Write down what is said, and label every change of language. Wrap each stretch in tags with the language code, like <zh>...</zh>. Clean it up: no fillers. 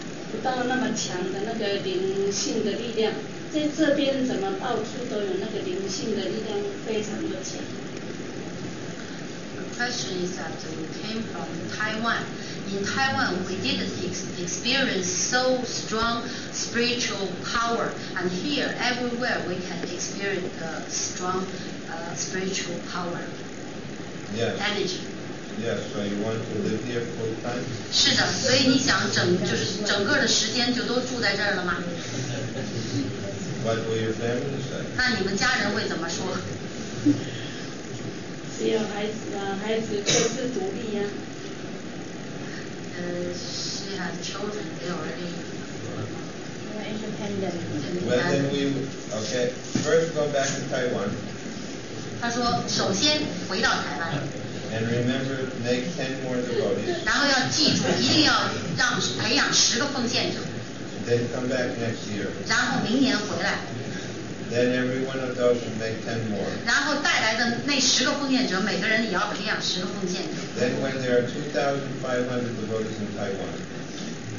<zh>不到那么强的那个灵性的力量，在这边怎么到处都有那个灵性的力量非常的强。</zh> <en>The question is that you came from Taiwan. In Taiwan, we didn't experience so strong spiritual power, and here, everywhere, we can experience the strong spiritual power. Yes. Energy. Yes, so you want to live here full time?</en> <zh>是的，所以你想整就是整个的时间就都住在这儿了吗？</zh> <en>What will your family say?</en> <zh>那你们家人会怎么说？只有孩子各自独立呀。</zh> <en>She has children. They already. They're independent. Well, then we okay. First, go back to Taiwan.</en> <zh>他说，首先回到台湾。</zh> <en>And remember, make 10 more devotees.</en> <zh>然后要记住，一定要让培养十个奉献者。</zh> <en>Then come back next year.</en> <zh>然后明年回来。</zh> <en>Then every one of those should make 10 more.</en> <zh>然后带来的那十个奉献者，每个人也要培养十个奉献者。</zh> <en>Then when there are 2,500 devotees in Taiwan.</en>